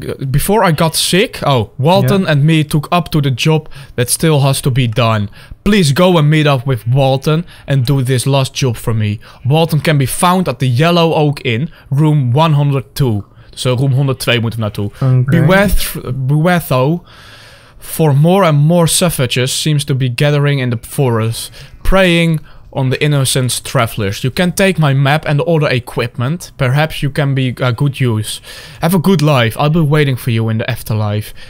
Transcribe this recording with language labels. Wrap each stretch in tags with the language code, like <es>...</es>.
<en>Before I got sick, Walton and me took up to the job that still has to be done. Please go and meet up with Walton and do this last job for me. Walton can be found at the Yellow Oak Inn, room 102.</en> <nl>So, room 102 moeten we naartoe.</nl> <en>Okay. Beware though, for more and more savages seems to be gathering in the forest, preying on the innocent travelers. You can take my map and other equipment. Perhaps you can be a good use. Have a good life. I'll be waiting for you in the afterlife.</en>